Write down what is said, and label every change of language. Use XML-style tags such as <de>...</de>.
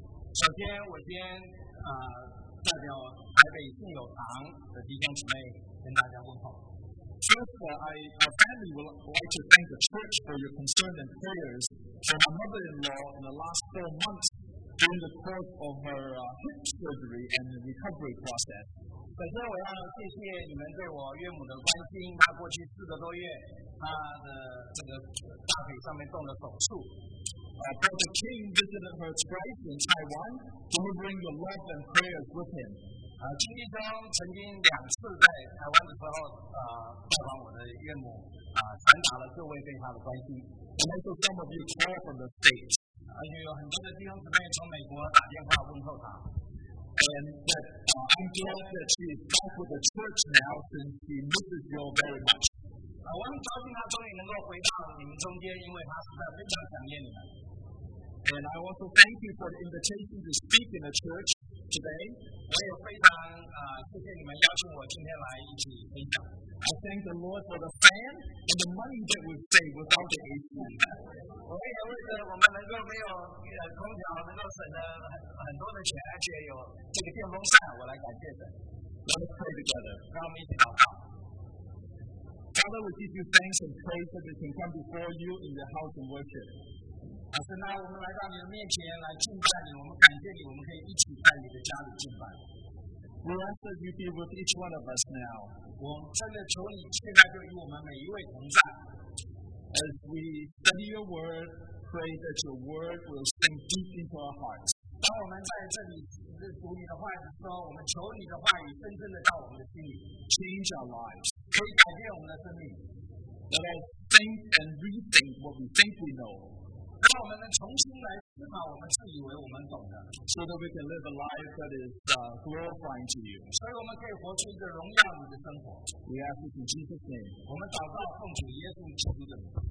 <zh>首先，我先代表台北信友堂的弟兄姊妹跟大家问候。</zh> <en>First, our family would like to thank the church for your concern and prayers for my mother-in-law in the last 4 months during the course of her hip surgery and the recovery process.</en> <zh>首先，我要谢谢你们对我岳母的关心。她过去四个多月，她的这个大腿上面动了手术。</zh> <en>But the king visited her twice in Taiwan, delivering your love and prayers with him.</en> <zh>经历中曾经两次在台湾的时候，拜访我的岳母，传达了各位对她的关心。</zh> <en>And also some of you call from the States.</en> <zh>而且有很多的弟兄姊妹从美国打电话问候她。</zh> <en>And that, I'm glad that she is back with the church now since she misses you very much.</en> <zh>我很高兴她终于能够回到你们中间，因为她实在非常想念你们。</zh> <en>And I also thank you for the invitation to speak in the church today.</en> <zh>我也非常谢谢你们邀请我今天来一起分享。</zh> <en>I thank the Lord for the fan and the money that we've saved without the AC.</en> <zh>我也为了我们能够没有空调能够省了很多的钱，而且有这个电风扇，我来感谢神。</zh> <en>Let's pray together.</en> <zh>让我们一起祷告。</zh> <en>Father, we give you thanks and praise that we can come before you in the house and worship.</en> <zh>神啊，我们来到你的面前来敬拜你，我们感谢你，我们可以一起在你的家里敬拜。</zh> <en>We ask that you be with each one of us now.</en> <zh>我真的求你现在就与我们每一位同在。</zh> <en>As we study your word, pray that your word will sink deep into our hearts.</en> <zh>当我们在这里读你的话语的时候，我们求你的话语深深的到我们的心里</zh> <en>，change our lives，</en> <zh>可以改变我们的生命。</zh> <en>Let us think and rethink what we think we know.</en> <zh>让我们能重新来思考我们自以为我们懂的</zh> <en>，so that we can live a life that is glorifying to you。</en> <zh>所以我们可以活出一个荣耀你的生活。</zh> <en>We ask it in Jesus' name。</en> <zh>我们祷告奉主耶稣基督的名。</zh>